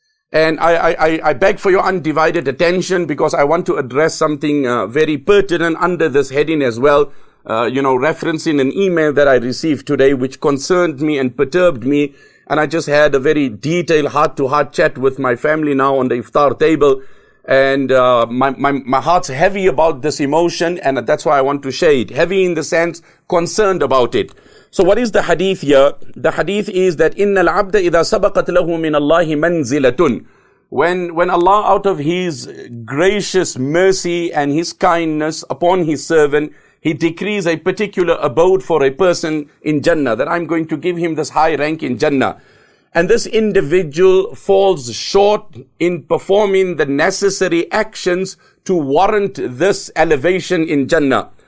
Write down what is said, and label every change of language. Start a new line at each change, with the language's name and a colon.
English: And I beg for your undivided attention because I want to address something very pertinent under this heading as well, referencing an email that I received today which concerned me and perturbed me. And I just had a very detailed heart-to-heart chat with my family now on the iftar table. And my heart's heavy about this emotion and that's why I want to share it. Heavy in the sense, concerned about it. So what is the hadith here? The hadith is that
Arabic: إِنَّ الْعَبْدَ إِذَا سَبَقَتْ لَهُ مِنَ اللَّهِ مَنْزِلَةٌ.
English: When Allah out of His gracious mercy and His kindness upon His servant, He decrees a particular abode for a person in Jannah, that I'm going to give him this high rank in Jannah. And this individual falls short in performing the necessary actions to warrant this elevation in Jannah.